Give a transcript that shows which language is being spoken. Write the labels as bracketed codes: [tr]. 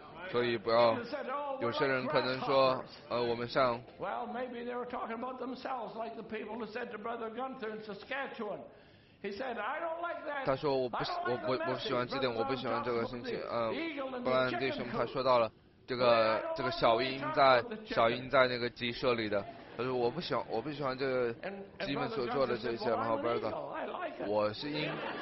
[zh] 所以不要，有些人可能说，我们像。 [en] Well, maybe they were talking about themselves, like the people who said to Brother Gunther in Saskatchewan. He said, "I don't like that." [zh] 他说我不喜欢这点，我不喜欢这个心情。布兰弟兄他说到了这个小鹰在那个鸡舍里的，他说我不喜欢这个鸡们所做的这些，然后 Brother， 我是鹰。